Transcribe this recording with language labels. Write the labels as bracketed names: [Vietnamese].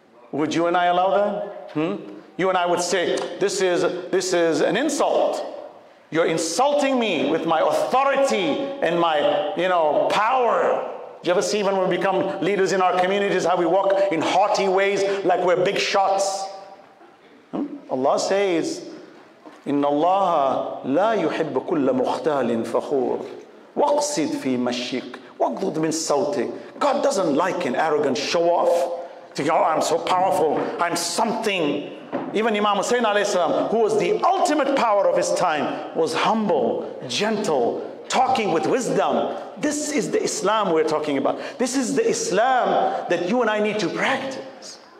[English] Would you and I allow that? You and I would say, this is an insult. You're insulting me with my authority and my, you know, power. Do you ever see when we become leaders in our communities, how we walk in haughty ways like we're big shots? Allah says, [Arabic] إِنَّ اللَّهَ لَا يُحِبُّ كُلَّ مُخْتَالٍ فَخُورٍ وَقْصِدْ فِي مَشِّكٍ وَقْضُدْ مِنْ سَوْتِكٍ. [English] God doesn't like an arrogant show-off. Thinking, oh, I'm so powerful, I'm something. Even Imam Hussein alayhi salam, who was the ultimate power of his time, was humble, gentle, talking with wisdom. This is the Islam we're talking about. This is the Islam that you and I need to practice.